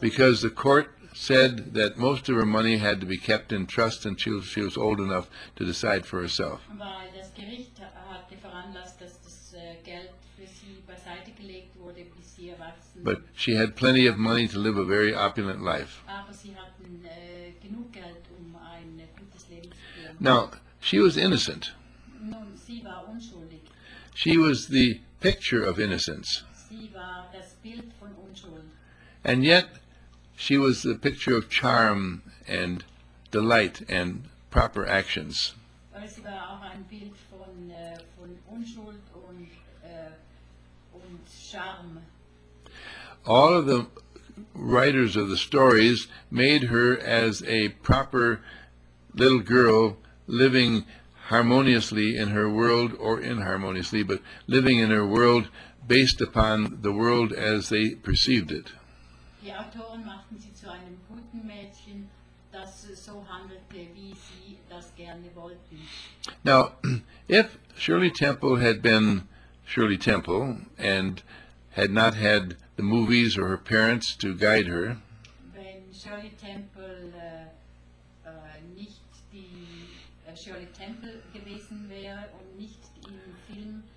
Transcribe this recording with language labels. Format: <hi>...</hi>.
<en>Because the court said that most of her money had to be kept in trust until she was old enough to decide for herself.</en> <de>Weil das Gericht hatte veranlasst, dass das Geld für sie beiseite gelegt wurde, bis sie erwachsen war.</de> <en>But she had plenty of money to live a very opulent life.</en> <de>Aber sie hatten genug Geld, um ein gutes Leben zu führen.</de> <en>Now, she was innocent.</en> <de>Nun, sie war unschuldig.</de> <en>She was the picture of innocence.</en> <de>Sie war das Bild von Unschuld.</de> <en>And yet, she was the picture of charm and delight and proper actions.</en> <de>Aber sie war auch ein Bild von Unschuld und Charme.</de> <en>All of the writers of the stories made her as a proper little girl living harmoniously in her world, or inharmoniously, but living in her world based upon the world as they perceived it.</en> <de>Die Autoren machten sie zu einem guten Mädchen, das so handelte, wie sie das gerne wollten.</de> <en>Now, if Shirley Temple had been Shirley Temple and had not had the movies or her parents to guide her,</en> <de>wenn Shirley Temple nicht die Shirley Temple gewesen wäre und nicht im Film,</de>